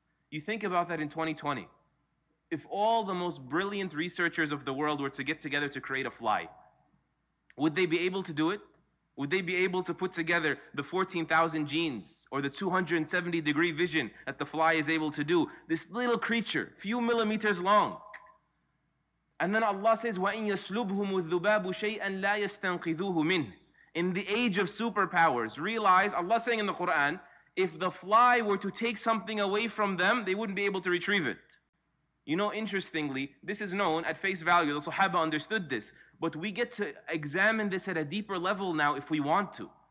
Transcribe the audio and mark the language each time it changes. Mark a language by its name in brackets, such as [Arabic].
[English] You think about that in 2020. If all the most brilliant researchers of the world were to get together to create a fly, would they be able to do it? Would they be able to put together the 14,000 genes or the 270 degree vision that the fly is able to do? This little creature, few millimeters long. And then Allah says, [Arabic] وَإِن يَسْلُبْهُمُ الذُّبَابُ شَيْئًا لَا يَسْتَنْقِذُوهُ مِنْهُ. [English] In the age of superpowers, realize, Allah saying in the Quran, if the fly were to take something away from them, they wouldn't be able to retrieve it. You know, interestingly, this is known at face value, the Sahaba understood this, but we get to examine this at a deeper level now if we want to.